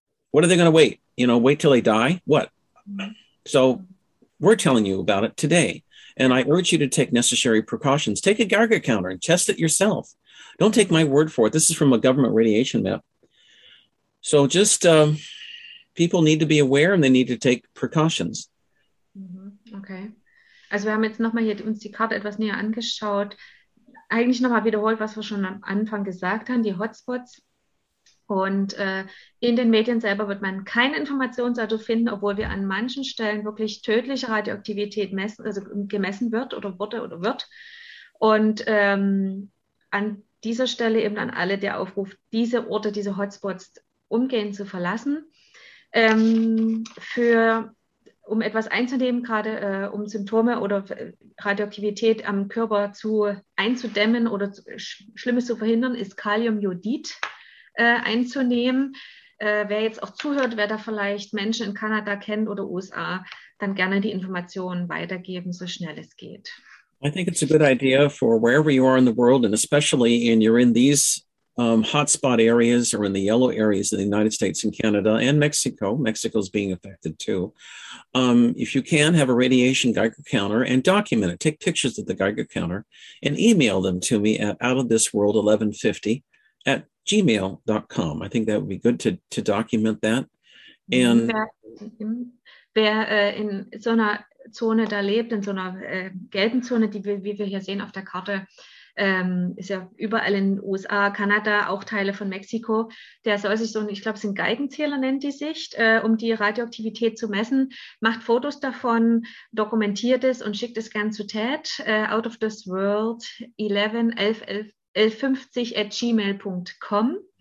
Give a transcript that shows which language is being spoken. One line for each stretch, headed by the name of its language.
English: What are they going to wait? You know, wait till they die? What? So we're telling you about it today. And I urge you to take necessary precautions. Take a Geiger counter and test it yourself. Don't take my word for it. This is from a government radiation map. So just people need to be aware and they need to take precautions. Mm-hmm. Okay.
German: Also wir haben jetzt nochmal hier uns die Karte etwas näher angeschaut. Eigentlich nochmal wiederholt, was wir schon am Anfang gesagt haben, die Hotspots. Und in den Medien selber wird man keine Informationen dazu finden, obwohl wir an manchen Stellen wirklich tödliche Radioaktivität messen, also gemessen wird oder wurde oder wird. Und an dieser Stelle eben an alle der Aufruf, diese Orte, diese Hotspots umgehend zu verlassen. Um etwas einzunehmen, gerade um Symptome oder Radioaktivität am Körper einzudämmen oder Schlimmes zu verhindern, ist Kaliumjodid einzunehmen. Wer jetzt auch zuhört, wer da vielleicht Menschen in Kanada kennt oder USA, dann gerne die Informationen weitergeben, so schnell es geht.
English: I think it's a good idea for wherever you are in the world and especially in you're in these hotspot areas or in the yellow areas of the United States and Canada and Mexico. Mexico's being affected too. If you can, have a radiation Geiger counter and document it. Take pictures of the Geiger counter and email them to me at outofthisworld1150@gmail.com. I think that would be good to document that. And
German: wer in so einer Zone da lebt, in so einer gelben Zone, die wir, wie wir hier sehen auf der Karte, ist ja überall in den USA, Kanada, auch Teile von Mexiko, der soll sich so, ich glaube, es sind Geigenzähler, nennt die sich, um die Radioaktivität zu messen, macht Fotos davon, dokumentiert es und schickt es gern zu TED, out of this world, 1150@gmail.com.